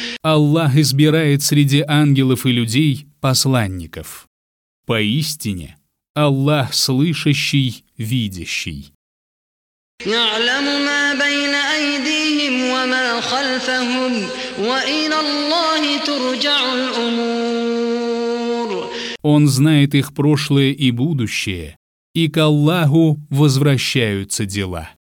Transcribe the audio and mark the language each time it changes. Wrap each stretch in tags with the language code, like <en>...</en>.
<ru>Аллах избирает среди ангелов и людей посланников. Поистине, Аллах слышащий, видящий.</ru> <ar>يعلم ما بين أيديهم وما خلفهم وإلى الله ترجع الأمور.</ar> <ru>Он знает их прошлое и будущее, и к Аллаху возвращаются дела.</ru>